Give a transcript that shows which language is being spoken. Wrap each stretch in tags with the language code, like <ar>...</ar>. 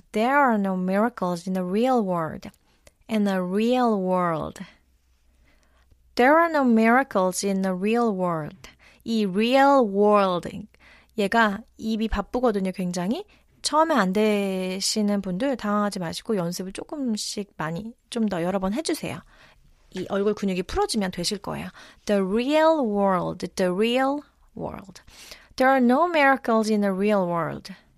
<en>There are no miracles in the real world. In the real world. There are no miracles in the real world. 이 real world.</en> <ko>얘가 입이 바쁘거든요, 굉장히. 처음에 안 되시는 분들 당황하지 마시고 연습을 조금씩 많이 좀 더 여러 번 해주세요. 이 얼굴 근육이 풀어지면 되실 거예요.</ko> <en>The real world. The real world. There are no miracles in the real world.</en>